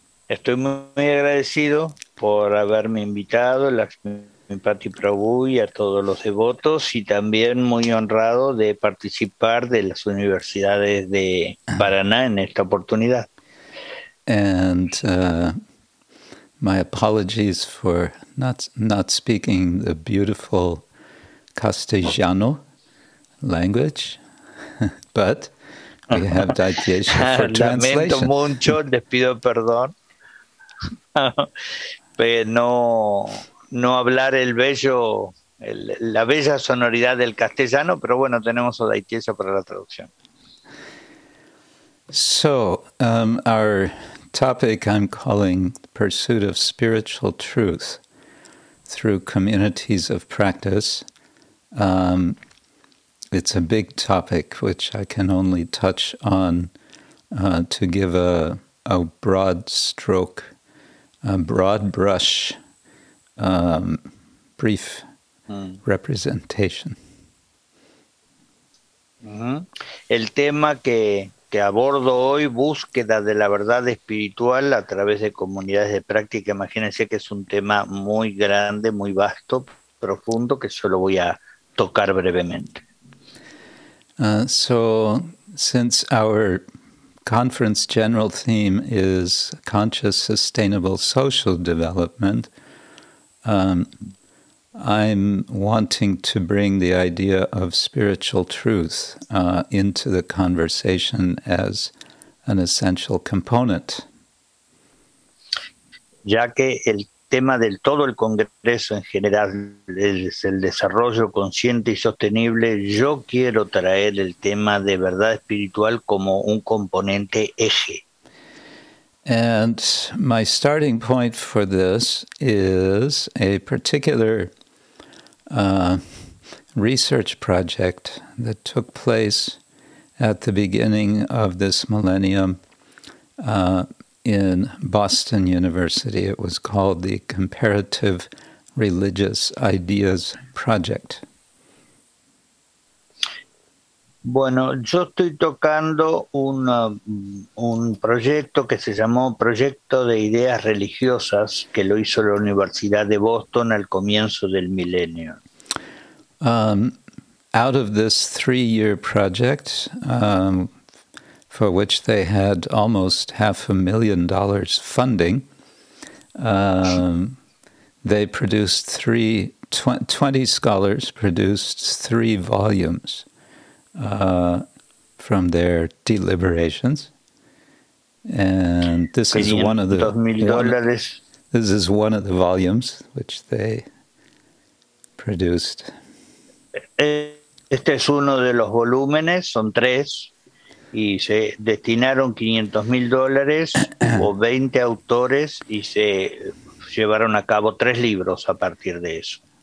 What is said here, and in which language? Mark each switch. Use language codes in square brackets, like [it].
[es] Estoy muy agradecido por haberme invitado, Lakshmipati Prabhu, y a todos los devotos, y también muy honrado de participar de las universidades de Paraná en esta oportunidad. [en] And my apologies for not speaking the beautiful Castellano language, but we have Daityesha for [es] Lamento [en] translation. [es] mucho, les pido perdón. No hablar la bella sonoridad del castellano, pero bueno, tenemos a Daitiesa para la traducción. [en] So, our topic I'm calling Pursuit of Spiritual Truth Through Communities of Practice. It's a big topic which I can only touch on to give a broad stroke, a broad brush, brief representation. [es] El tema que abordo hoy, búsqueda de la verdad espiritual a través de comunidades de práctica, imagínense que es un tema muy grande, muy vasto, profundo, que solo voy a tocar brevemente. [en] So, since our conference general theme is conscious, sustainable social development, I'm wanting to bring the idea of spiritual truth into the conversation as an essential component. [es] Ya que el tema del todo el Congreso en general es el desarrollo consciente y sostenible, yo quiero traer el tema de verdad espiritual como un componente eje. [en] And my starting point for this is a particular research project that took place at the beginning of this millennium in Boston University. It was called the Comparative Religious Ideas Project. [es] Bueno, yo estoy tocando un proyecto que se llamó Proyecto de Ideas Religiosas, que lo hizo la Universidad de Boston al comienzo del milenio. [en] Out of this 3-year project, for which they had almost $500,000 funding, they produced 20 scholars produced 3 volumes from their deliberations. And this is one of the $2,000. This is one of the volumes which they produced. [es] Este es uno de los volúmenes, son tres, y se destinaron $500,000 o 20 autores y se llevaron a cabo tres libros a partir de eso.